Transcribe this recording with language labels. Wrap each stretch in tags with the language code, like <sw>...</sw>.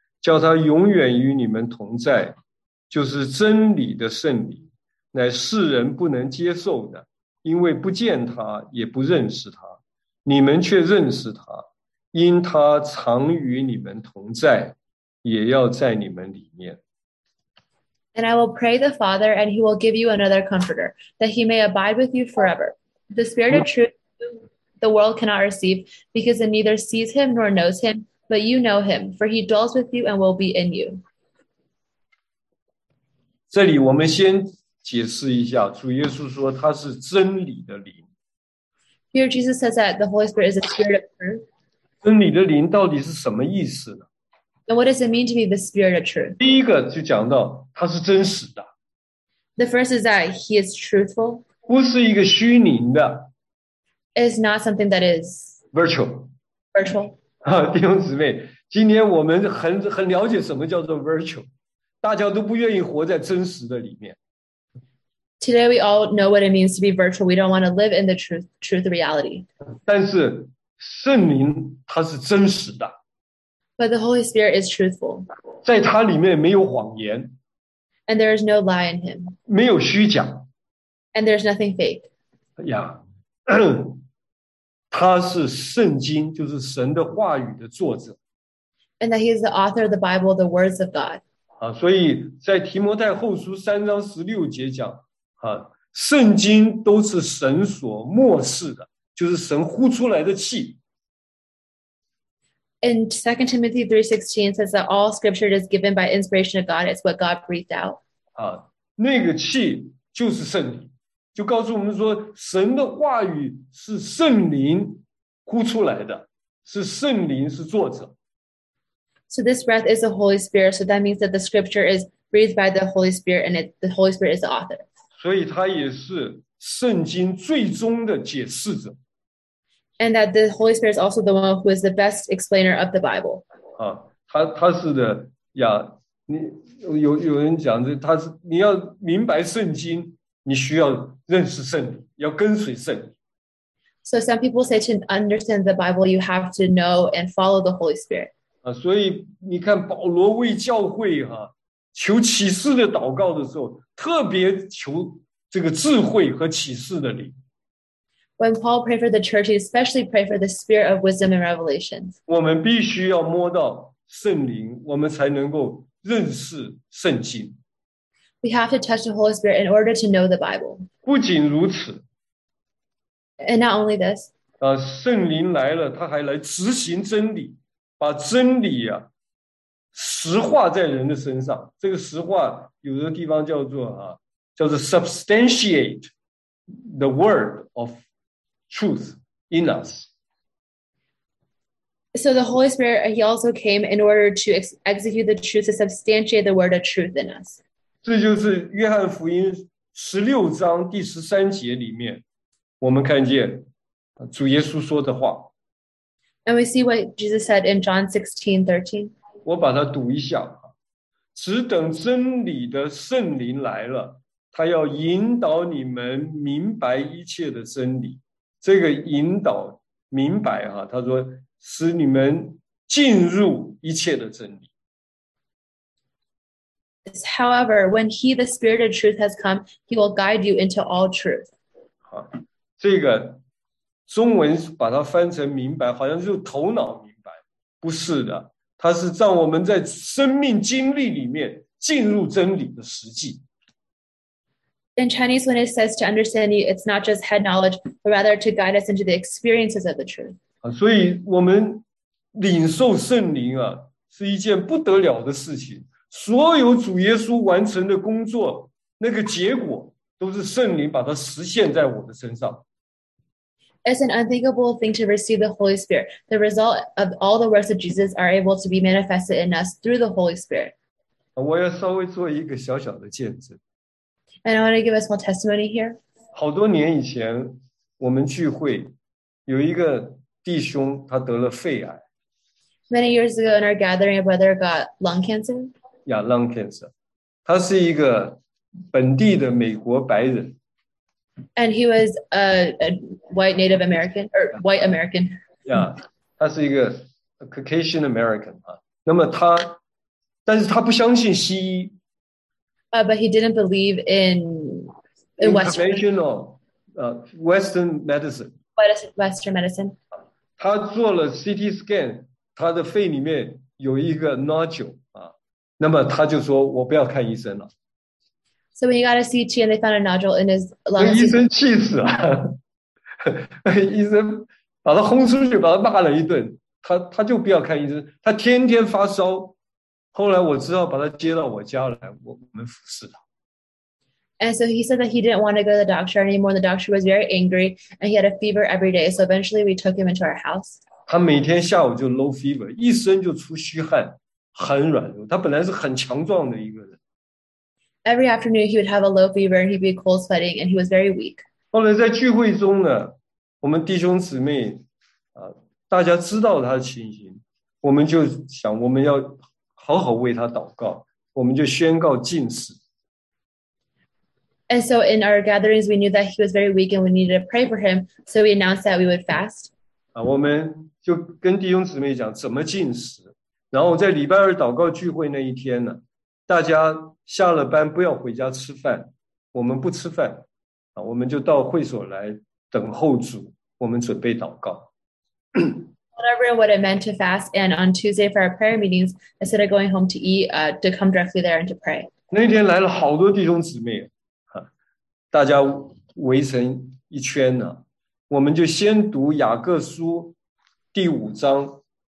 <zh>叫他永远与你们同在，就是真理的圣灵，乃世人不能接受的，因为不见他，也不认识他，你们却认识他，因他常与你们同在，也要在你们里面。</zh> <en>And I will pray the Father, and he will give you another comforter, that he may abide with you forever. The Spirit of truth, the world cannot receive, because it neither sees him nor knows him,But you know him, for he dwells with you and will be in you.</en> <zh>这里我们先解释一下，主耶稣说他是真理的灵。</zh> <en>Here Jesus says that the Holy Spirit is a spirit of truth.</en> <zh>真理的灵到底是什么意思呢？</zh> <en>And what does it mean to be the spirit of truth?</en> <zh>第一个就讲到他是真实的。</zh> <en>The first is that he is truthful.</en> <zh>不是一个虚拟的。</zh> <en>It's not something that is... Virtual. Virtual.</en> <zh>弟兄姊妹，今天我们很了解什么叫做 virtual， 大家都不愿意活在真实的里面。</zh> <en>Today we all know what it means to be virtual. We don't want to live in the truth reality.</en> <zh>但是圣灵它是真实的。</zh> <en>But the Holy Spirit is truthful.</en> <zh>在它里面没有谎言。</zh> <en>And there is no lie in him.</en> <zh>没有虚假。</zh> <en>And there is nothing fake. Yeah.</en> <zh>他是圣经，就是神的话语的作者。</zh> <en>And that he is the author of the Bible, the words of God.</en> <zh>所以在提摩太后书三章十六节讲，圣经都是神所默示的，就是神呼出来的气。</zh> <en>In 2 Timothy 3:16 says that all scripture is given by inspiration of God, it's what God breathed out.</en> <zh>那个气就是圣灵。就告诉我们说神的话语是圣灵呼出来的是圣灵是作者。</zh> <en>So this breath is the Holy Spirit, so that means that the scripture is breathed by the Holy Spirit and the Holy Spirit is the author.</en> <zh>所以他也是圣经最终的解释者。</zh> <en>And that the Holy Spirit is also the one who is the best explainer of the Bible.</en> <zh>他是的呀你 有人讲的他是你要明白圣经你需要认识圣灵，要跟随圣灵。</zh> <en>So some people say to understand the Bible, you have to know and follow the Holy Spirit.</en> <zh>所以你看保罗为教会求启示的祷告的时候，特别求这个智慧和启示的灵。</zh> <en>When Paul prayed for the church, he especially prayed for the spirit of wisdom and revelation.</en> <zh>我们必须要摸到圣灵，我们才能够认识圣经。</zh> <en>We have to touch the Holy Spirit in order to know the Bible.</en> <zh>不仅如此。</zh> <en>And not only this.</en> <zh>圣灵来了，他还来执行真理，把真理啊，实化在人的身上。这个实化，有的地方叫做</zh> <en>substantiate the word of truth in us. So the Holy Spirit, he also came in order to execute the truth, to substantiate the word of truth in us.</en> <zh>这就是约翰福音十六章第十三节里面我们看见主耶稣说的话。</zh> <en>And we see what Jesus said in John 16:13.</en> <zh>我把它读一下。只等真理的圣灵来了，他要引导你们明白一切的真理。这个引导明白，他说使你们进入一切的真理。</zh> <en>However, when he, the Spirit of Truth, has come, he will guide you into all truth.</en> <zh>这个中文把它翻成明白，好像就是头脑明白，不是的，它是让我们在生命经历里面进入真理的实际。</zh> <en>In Chinese, when it says to understand you, it's not just head knowledge, but rather to guide us into the experiences of the truth.</en> <zh>所以我们领受圣灵啊，是一件不得了的事情。所有主耶稣完成的工作，那个结果都是圣灵把它实现在我的身上。</zh> <en>It's an unthinkable thing to receive the Holy Spirit. The result of all the works of Jesus are able to be manifested in us through the Holy Spirit.</en> <zh>我要稍微做一个小小的见证。</zh> <en>And I want to give a small testimony here.</en> <zh>好多年以前，我们聚会，有一个弟兄，他得了肺癌。</zh> <en>Many years ago in our gathering, a brother got lung cancer. Yeah, lung cancer.</en> <zh>他是一个本地的美国白人。</zh> <en>And he was a white Native American, or white American.</en> <zh>Yeah, 他是一个 Caucasian American. 那么他，但是他不相信西医。</zh> <en>But he didn't believe in Western Western medicine. Western medicine.</en> <zh>他做了 CT scan, 他的肺里面有一个 nodule, 那么他就说我不要看医生了。</zh> <en>So when he got a CT and they found a nodule in his lungs,</en> <zh>医生气死了，医生把他轰出去，把他骂了一顿，他就不要看医生，他天天发烧。后来我知道把他接到我家来，我们服侍他。</zh> <en>And so he said that he didn't want to go to the doctor anymore. The doctor was very angry, and he had a fever every day. So eventually, we took him into our house.</en> <zh>他每天下午就 low fever, 一身就出虚汗，很软弱。他本来是很强壮的一个人。</zh> <en>Every afternoon, he would have a low fever, and he'd be cold sweating, and he was very weak.</en> <zh>后来在聚会中呢，我们弟兄姊妹啊，大家知道他的情形，我们就想我们要好好为他祷告，我们就宣告禁食。</zh> <en>And so in our gatherings, we knew that he was very weak and we needed to pray for him, so we announced that we would fast.</en> <zh>我们就跟弟兄姊妹讲怎么禁食，然后在礼拜二祷告聚会那一天呢，大家下了班不要回家吃饭，我们不吃饭，我们就到会所来等候主，我们准备祷告。</zh> <en>Whatever what it meant to fast, and on Tuesday for our prayer meetings, instead of going home to eat, to come directly there and to pray.</en> <zh>那天来了好多弟兄姊妹，大家围成一圈呢，我们就先读雅各书第五章。</zh>